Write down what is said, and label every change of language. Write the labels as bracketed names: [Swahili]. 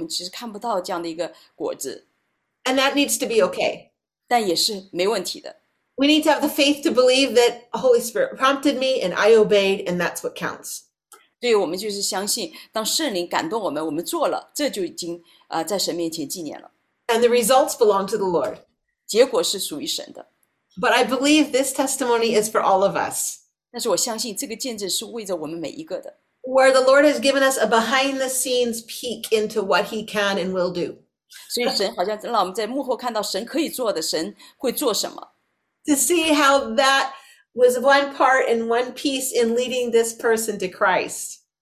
[Chinese] 所以很多的时候，其实当我们在分享神的这个怜悯的时候，我们其实看不到这样的一个果子。 [English] And that needs to be okay. [Chinese] 但也是没问题的。 [English] We need to have the faith to believe that Holy Spirit prompted me and I obeyed and that's what counts. [Chinese] 对，我们就是相信，当圣灵感动我们，我们做了，这就已经在神面前纪念了。 [English] And the results belong to the Lord. [Chinese] 结果是属于神的。 [English] But I believe this testimony is for all of us. [Chinese] 但是我相信这个见证是为着我们每一个的。 [English] Where the Lord has given us a behind the scenes peek into what he can and will do. [Chinese] 所以神好像让我们在幕后看到神可以做的，神会做什么。 [English] To see how that was one part and one piece in leading this person to Christ.